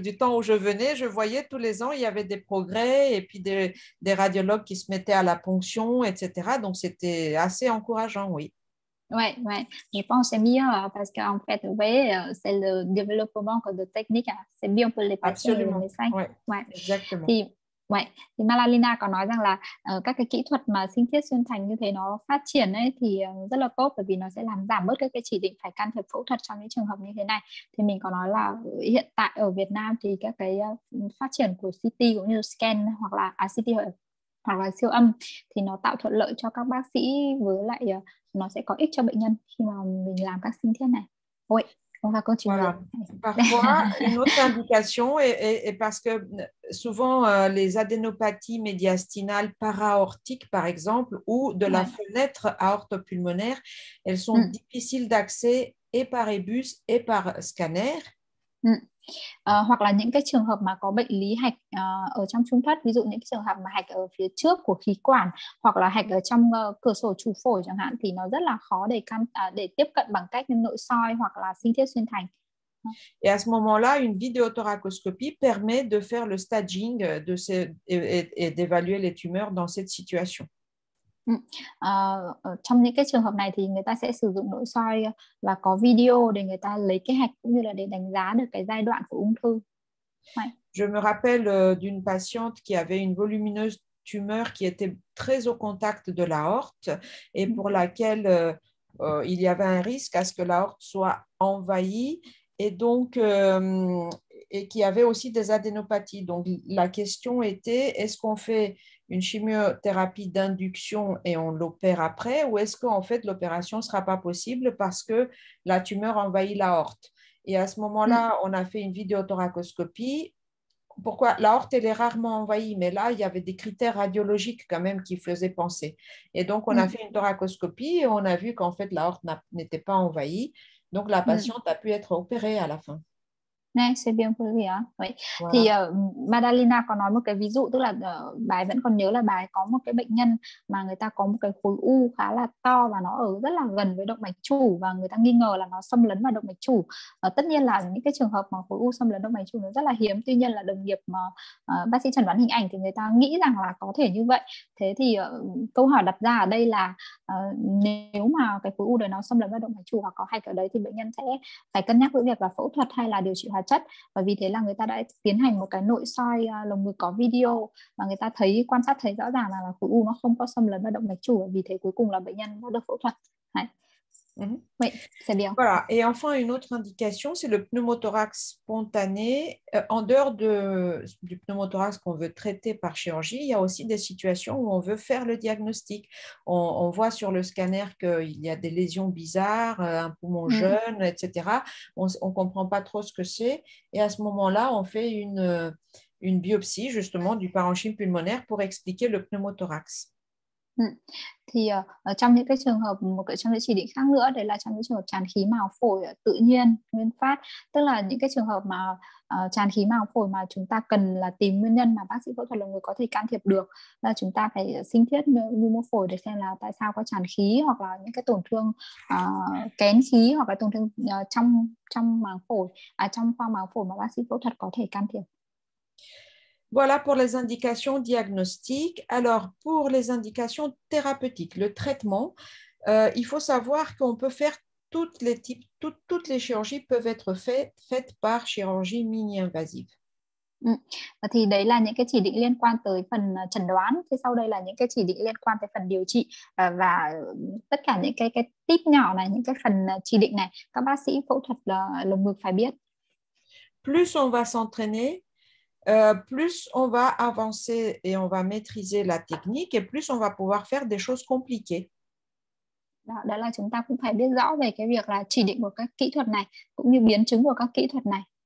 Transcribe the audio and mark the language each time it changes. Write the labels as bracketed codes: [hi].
[fr] Du temps où je venais, je voyais tous les ans, il y avait des progrès et puis des radiologues qui se mettaient à la ponction, etc. Donc, c'était assez encourageant, oui. Oui, oui. Je pense que c'est mieux parce qu'en fait, vous voyez, c'est le développement de techniques. C'est mieux pour les patients. Absolument, les médecins. Ouais. Ouais. Exactement. Ouais. [vi] Thì Malalina có nói rằng là các cái kỹ thuật mà sinh thiết xuyên thành như thế nó phát triển ấy, thì rất là tốt, bởi vì nó sẽ làm giảm bớt các cái chỉ định phải can thiệp phẫu thuật trong những trường hợp như thế này. Thì mình có nói là hiện tại ở Việt Nam thì các cái phát triển của CT cũng như scan hoặc là siêu âm thì nó tạo thuận lợi cho các bác sĩ, với lại nó sẽ có ích cho bệnh nhân khi mà mình làm các sinh thiết này. [fr] Oui. Voilà. Parfois, une autre indication est parce que souvent les adénopathies médiastinales para-aortiques, par exemple, ou de la fenêtre aorto-pulmonaire, elles sont difficiles d'accès et par ébus et par scanner. [vi] Hoặc là những cái trường hợp mà có bệnh lý hạch ở trong trung thất, ví dụ những cái trường hợp mà hạch ở phía trước của khí quản hoặc là hạch ở trong cửa sổ trụ phổi chẳng hạn, thì nó rất là khó để tiếp cận bằng cách nội soi hoặc là sinh thiết xuyên thành. [fr] Et à ce moment-là, une vidéothoracoscopie permet de faire le staging de ces et d'évaluer les tumeurs dans cette situation. [vi] Trong những cái trường hợp này thì người ta sẽ sử dụng nội soi và có video để người ta lấy cái hạch cũng như là để đánh giá được cái giai đoạn của ung thư. [fr] Ouais. Je me rappelle d'une patiente qui avait une volumineuse tumeur qui était très au contact de l'aorte et pour laquelle il y avait un risque à ce que l'aorte soit envahie et donc et qui avait aussi des adénopathies. Donc la question était, est-ce qu'on fait une chimiothérapie d'induction et on l'opère après, ou est-ce qu'en fait l'opération ne sera pas possible parce que la tumeur envahit l'aorte? Et à ce moment-là, on a fait une vidéothoracoscopie. Pourquoi? L'aorte, elle est rarement envahie, mais là, il y avait des critères radiologiques quand même qui faisaient penser. Et donc, on a fait une thoracoscopie et on a vu qu'en fait, l'aorte n'était pas envahie. Donc, la patiente a pu être opérée à la fin. Nè, sẽ bien phương gì á. [vi] Thì Madalina có nói một cái ví dụ, tức là bài vẫn còn nhớ là bài có một cái bệnh nhân mà người ta có một cái khối u khá là to và nó ở rất là gần với động mạch chủ và người ta nghi ngờ là nó xâm lấn vào động mạch chủ. Tất nhiên là những cái trường hợp mà khối u xâm lấn động mạch chủ nó rất là hiếm, tuy nhiên là đồng nghiệp mà bác sĩ chẩn đoán hình ảnh thì người ta nghĩ rằng là có thể như vậy. Thế thì câu hỏi đặt ra ở đây là nếu mà cái khối u đấy nó xâm lấn vào động mạch chủ hoặc có hạch ở đấy thì bệnh nhân sẽ phải cân nhắc giữa việc là phẫu thuật hay là điều trị hóa chất, và vì thế là người ta đã tiến hành một cái nội soi lồng ngực có video và người ta thấy quan sát thấy rõ ràng là khối u nó không có xâm lấn vào động mạch chủ, và vì thế cuối cùng là bệnh nhân đã được phẫu thuật. Đấy. [fr] Oui, c'est bien. Voilà. Et enfin, une autre indication, c'est le pneumothorax spontané. En dehors du pneumothorax qu'on veut traiter par chirurgie, il y a aussi des situations où on veut faire le diagnostic. On voit sur le scanner qu'il y a des lésions bizarres, un poumon jeune, etc. On ne comprend pas trop ce que c'est. Et à ce moment-là, on fait une biopsie, justement, du parenchyme pulmonaire pour expliquer le pneumothorax. [vi] Thì trong những cái trường hợp, một cái trong những chỉ định khác nữa đấy là trong những trường hợp tràn khí màng phổi tự nhiên nguyên phát, tức là những cái trường hợp mà tràn khí màng phổi mà chúng ta cần là tìm nguyên nhân mà bác sĩ phẫu thuật lồng ngực có thể can thiệp được, là chúng ta phải sinh thiết nhu mô phổi để xem là tại sao có tràn khí, hoặc là những cái tổn thương kén khí, hoặc là tổn thương trong trong màng phổi trong khoang màng phổi mà bác sĩ phẫu thuật có thể can thiệp. [fr] Voilà pour les indications diagnostiques. Alors, pour les indications thérapeutiques, le traitement, il faut savoir qu'on peut faire toutes les types, toutes les chirurgies peuvent être faites par chirurgie mini-invasive. [vi] Thì đấy là những cái chỉ định liên quan tới phần chẩn đoán, thì sau đây là những cái chỉ định liên quan tới phần điều trị, và tất cả những cái tip nhỏ này, những cái phần chỉ định này các bác sĩ phẫu thuật lồng ngực phải biết. [fr] Plus on va s'entraîner, plus on va avancer et on va maîtriser la technique et plus on va pouvoir faire des choses compliquées. [vi] Đó, đó là chúng ta cũng phải biết rõ về cái việc là chỉ định của các kỹ thuật này cũng như biến chứng của các kỹ thuật này.